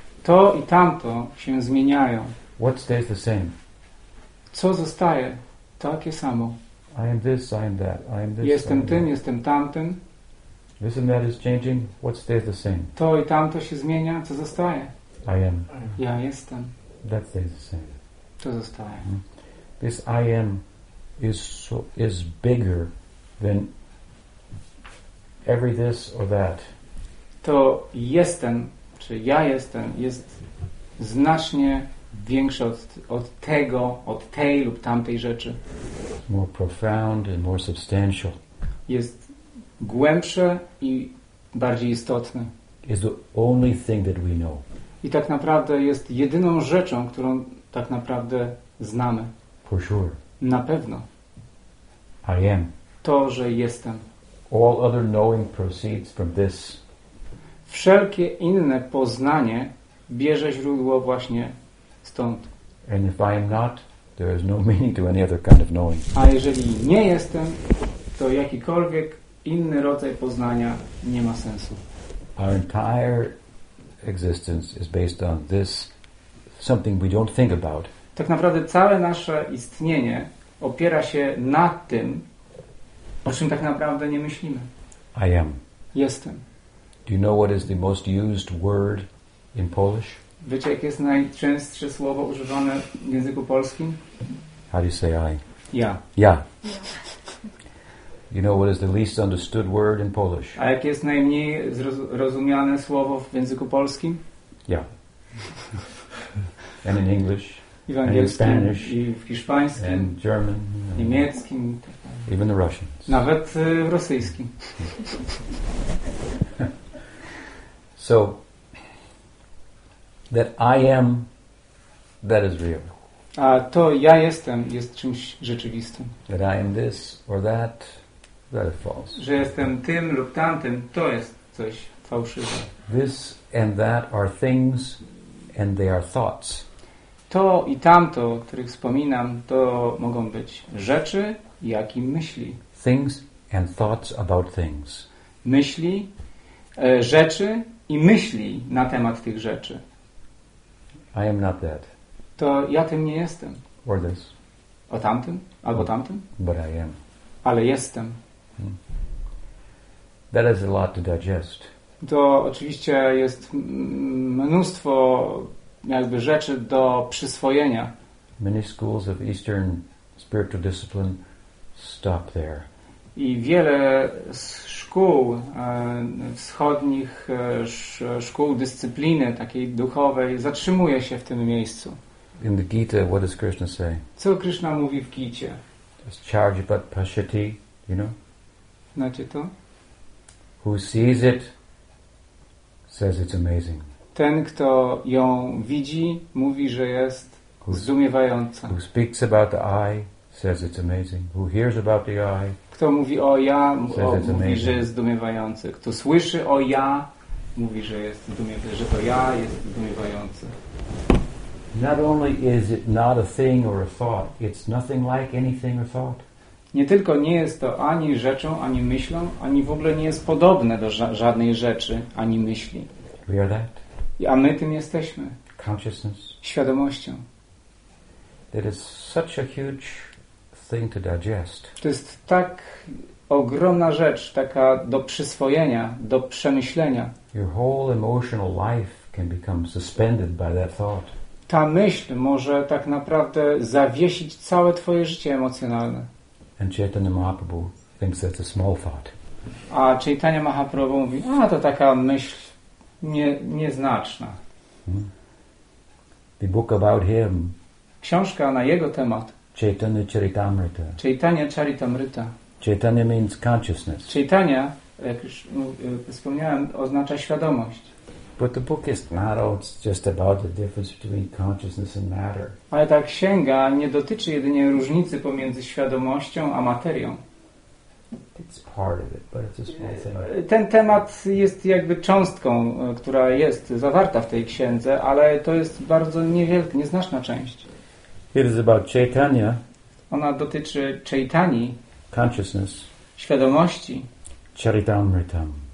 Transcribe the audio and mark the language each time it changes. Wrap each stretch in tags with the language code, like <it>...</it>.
<pl>To i tamto się zmieniają.</pl> <en>What stays the same?</en> <pl>Co zostaje takie samo?</pl> <en>I am this, I am that, I am this.</en> <pl>Jestem</pl> <en>am</en> <pl>tym,</pl> <en>that.</en> <pl>Jestem tamtym.</pl> <en>This and that is changing. What stays the same?</en> <pl>To i tamto się zmienia. Co zostaje?</pl> <en>I am.</en> <pl>Ja jestem.</pl> <en>That stays the same.</en> <pl>To zostaje.</pl> <en>This I am is bigger than every this or that.</en> <pl>To jestem, czy ja jestem, jest znacznie większe od tego, od tej lub tamtej rzeczy.</pl> <en>More profound and more substantial.</en> <pl>Jest głębsze i bardziej istotne.</pl> <en>Is the only thing that we know.</en> <pl>I tak naprawdę jest jedyną rzeczą, którą tak naprawdę znamy.</pl> <en>For sure.</en> <pl>Na pewno.</pl> <en>I am.</en> <pl>To, że jestem.</pl> <en>All other knowing proceeds from this.</en> <pl>Wszelkie inne poznanie bierze źródło właśnie stąd.</pl> <en>And if I am not, there is no meaning to any other kind of knowing.</en> <pl>A jeżeli nie jestem, to jakikolwiek inny rodzaj poznania nie ma sensu.</pl> <en>Our entire existence is based on this, something we don't think about.</en> <pl>Tak naprawdę całe nasze istnienie opiera się na tym, o czym tak naprawdę nie myślimy.</pl> <en>I am.</en> <pl>Jestem.</pl> <en>Do you know what is the most used word in Polish?</en> <pl>Wiecie, jakie jest najczęstsze słowo używane w języku polskim?</pl> <en>How do you say I?</en> <pl>Ja. Ja.</pl> <en>You know what is the least understood word in Polish?</en> <pl>A jakie jest najmniej zrozumiane słowo w języku polskim?</pl> <en>Ja. And in English?</en> <pl>I w angielskim,</pl> <en>Spanish,</en> <pl>i w hiszpańskim,</pl> <en>and German,</en> <pl>niemieckim,</pl> <en>even the Russians.</en> <pl>Nawet w rosyjskim.</pl> <en>So that I am, that is real.</en> <pl>A to ja jestem jest czymś rzeczywistym.</pl> <en>That I am this or that, that is false.</en> <pl>Że jestem tym lub tamtym, to jest coś fałszywe.</pl> <en>This and that are things and they are thoughts.</en> <pl>To i tamto, o których wspominam, to mogą być rzeczy, jak i myśli.</pl> <en>Things and thoughts about things.</en> <pl>Myśli, rzeczy i myśli na temat tych rzeczy.</pl> <en>I am not that.</en> <pl>To ja tym nie jestem.</pl> <en>Or this.</en> <pl>O tamtym? Albo tamtym?</pl> <en>But I am.</en> <pl>Ale jestem.</pl> <en>That is a lot to digest.</en> <pl>To oczywiście jest mnóstwo jakby rzeczy do przyswojenia.</pl> <en>Many schools of Eastern spiritual discipline stop there.</en> <pl>I wiele szkół wschodnich, szkół dyscypliny takiej duchowej zatrzymuje się w tym miejscu.</pl> <en>In the Gita, what does Krishna say?</en> <pl>Co Krishna mówi w Gicie?</pl> <sa>Charjapat Pashati,</sa> <en>you know?</en> <pl>Znacie to?</pl> <en>Who sees it, says it's amazing.</en> <pl>Ten, kto ją widzi, mówi, że jest zdumiewająca.</pl> <en>Who speaks about the eye, says it's amazing. Who hears about the eye,</en> <pl>kto mówi o ja, mówi, że jest zdumiewający. Kto słyszy o ja, mówi, że jest zdumiewający, że to ja jest zdumiewający.</pl> <en>Not only is it not a thing or a thought, it's nothing like anything or thought.</en> <pl>Nie tylko nie jest to ani rzeczą, ani myślą, ani w ogóle nie jest podobne do żadnej rzeczy, ani myśli.</pl> <en>We are that.</en> <pl>A my tym jesteśmy.</pl> <en>Consciousness.</en> <pl>Świadomością.</pl> <en>That is such a huge thing to digest.</en> <pl>To jest tak ogromna rzecz, taka do przyswojenia, do przemyślenia.</pl> <en>Your whole emotional life can become suspended by that thought.</en> <pl>Ta myśl może tak naprawdę zawiesić całe twoje życie emocjonalne.</pl> <en>And Chaitanya Mahaprabhu thinks that's a small thought.</en> <pl>A Chaitanya Mahaprabhu mówi, a to taka myśl nieznaczna. Hmm.</pl> <en>The book about him.</en> <pl>Książka na jego temat.</pl> <en>Chaitanya Charitamrita.</en> <pl>Chaitanya Charitamrita.</pl> <en>Chaitanya means consciousness.</en> <pl>Chaitanya, jak już wspomniałem, oznacza świadomość.</pl> <en>But the book is not all just about the difference between consciousness and matter.</en> <pl>Ale ta księga nie dotyczy jedynie różnicy pomiędzy świadomością a materią.</pl> <en>It's part of it, but it's a small thing.</en> <pl>Ten temat jest jakby cząstką, która jest zawarta w tej księdze, ale to jest bardzo niewielka, nieznaczna część.</pl> <en>It is about Chaitanya.</en> <pl>Ona dotyczy Chaitani.</pl> <en>Consciousness.</en> <pl>Świadomości. Charitamritam.</pl>